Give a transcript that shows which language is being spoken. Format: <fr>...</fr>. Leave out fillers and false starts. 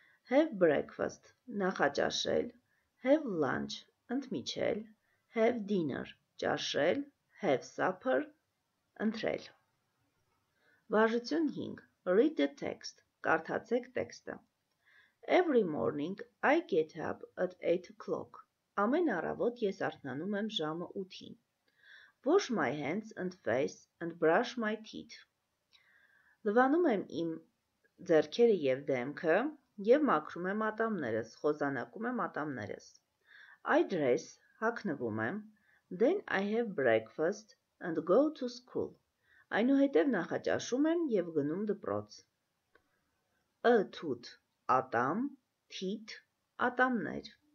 <en>Have breakfast,</en> <hy>նախաճաշել,</hy> <en>have lunch,</en> <hy>ընդմիջել,</hy> <en>have dinner,</en> <hy>ճաշել,</hy> <en>have supper,</en> <hy>ընտրել. Վարժություն 5.</hy> <en>Read the text,</en> <hy>կարդացեք տեքստը.</hy> <en>Every morning I get up at 8 o'clock.</en> <hy>Ամեն առավոտ ես արթնանում եմ ժամը 8-ին.</hy> <en>Wash my hands and face and brush my teeth.</en> <hy>Լվանում եմ իմ ձեռքերը և դեմքը և մաքրում եմ ատամներս, խոզանակում եմ ատամներս.</hy> <en>I dress,</en> <hy>հագնվում եմ,</hy> <en>then I have breakfast and go to school.</en> <hy>Այնուհետև նախաճաշում եմ և գնում դպրոց.</hy> <en>A tooth,</en> <hy>ատամ,</hy> <en>teeth,</en> <hy>ատամներ.</hy>